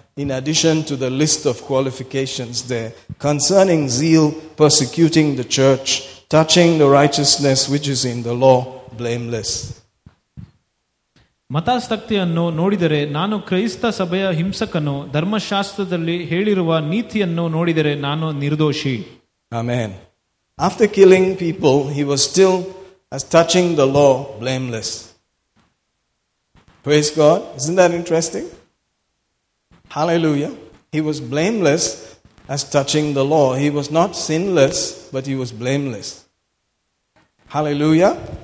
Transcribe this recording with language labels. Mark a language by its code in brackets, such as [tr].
[en] In addition to the list of qualifications there, concerning zeal, persecuting the church, touching the righteousness which is in the law, blameless. [kn] ಮತಾಸಕ್ತಿಯನ್ನು ನೋಡಿದರೆ ನಾನು ಕ್ರೈಸ್ತ ಸಭೆಯ ಹಿಂಸಕನು ಧರ್ಮಶಾಸ್ತ್ರದಲ್ಲಿ ಹೇಳಿರುವ ನೀತಿಯನ್ನು ನೋಡಿದರೆ ನಾನು ನಿರ್ದೋಷಿ. Amen. [en] After killing people, he was still as touching the law, blameless. Praise God. Isn't that interesting? Hallelujah. He was blameless as touching the law. He was not sinless, but he was blameless. Hallelujah.